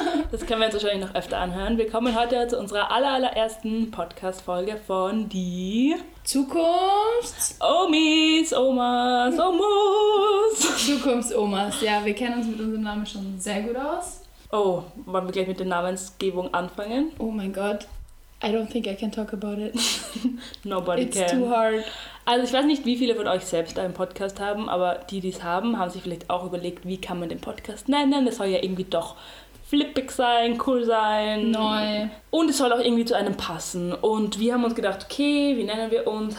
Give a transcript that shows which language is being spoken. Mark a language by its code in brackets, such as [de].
[de] das können wir jetzt wahrscheinlich noch öfter anhören. Wir kommen heute zu unserer allerersten Podcast-Folge von die Zukunfts-Omas. Ja, wir kennen uns mit unserem Namen schon sehr gut aus. Oh, wollen wir gleich mit der Namensgebung anfangen? Oh mein Gott, [en] I don't think I can talk about it. Nobody It's can. It's too hard. [de] Also ich weiß nicht, wie viele von euch selbst einen Podcast haben, aber die, die es haben, haben sich vielleicht auch überlegt, wie kann man den Podcast nennen? Das soll ja irgendwie doch flippig sein, cool sein. Neu. Und es soll auch irgendwie zu einem passen. Und wir haben uns gedacht, okay, wie nennen wir uns?